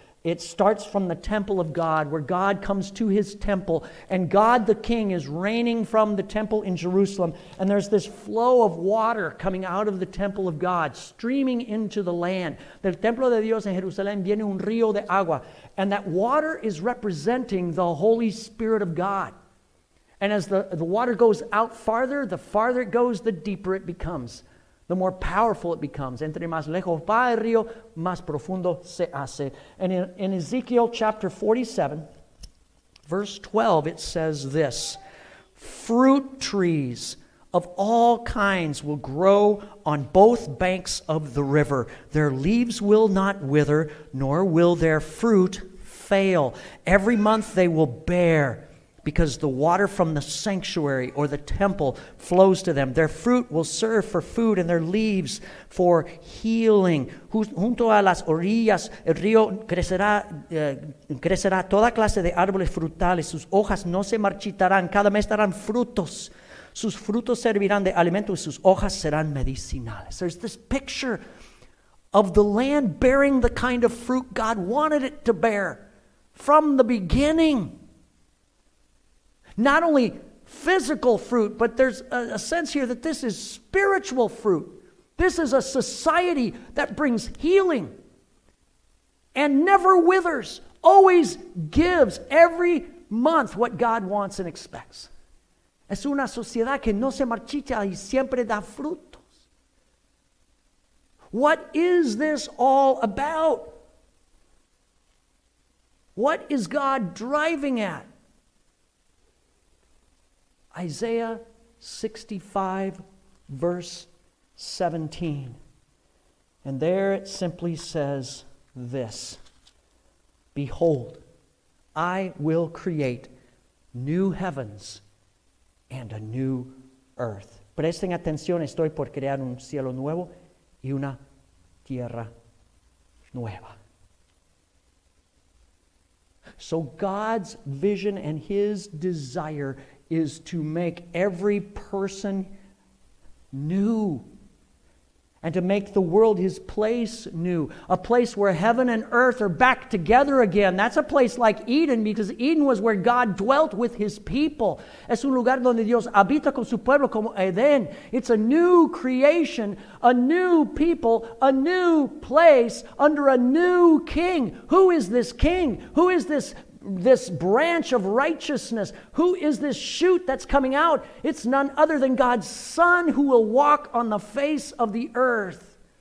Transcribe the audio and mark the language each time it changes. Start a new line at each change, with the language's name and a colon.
English: It starts from the temple of God, where God comes to his temple, and God the king is reigning from the temple in Jerusalem, and there's this flow of water coming out of the temple of God, streaming into the land.
Spanish: Del templo de Dios en Jerusalén viene un río de agua,
English: and that water is representing the Holy Spirit of God. And as the water goes out farther, the farther it goes, the deeper it becomes, the more powerful it becomes.
Spanish: Entre más lejos va el río, más profundo se hace.
English: And in Ezekiel chapter 47, verse 12, it says this, fruit trees of all kinds will grow on both banks of the river. Their leaves will not wither, nor will their fruit fail. Every month they will bear, because the water from the sanctuary or the temple flows to them. Their fruit will serve for food and their leaves for healing.
Spanish: Junto a las orillas, el río crecerá toda clase de árboles frutales. Sus hojas no se marchitarán. Cada mes darán frutos. Sus frutos servirán de alimento y sus hojas serán medicinales.
English: There's this picture of the land bearing the kind of fruit God wanted it to bear from the beginning. Not only physical fruit, but there's a sense here that this is spiritual fruit. This is a society that brings healing and never withers, always gives every month what God wants and expects.
Spanish: Es una sociedad que no se marchita y siempre da frutos.
English: What is this all about? What is God driving at? Isaiah 65, verse 17. And there it simply says this. Behold, I will create new heavens and a new earth.
Spanish: Presten atención, estoy por crear un cielo nuevo y una tierra nueva.
English: So God's vision and his desire is to make every person new and to make the world his place new, a place where heaven and earth are back together again. That's a place like Eden, because Eden was where God dwelt with his people.
Spanish: Es un lugar donde Dios habita con su pueblo como Edén.
English: It's a new creation, a new people, a new place under a new king. Who is this king? Who is this branch of righteousness? Who is this shoot that's coming out? It's none other than God's Son who will walk on the face of the earth.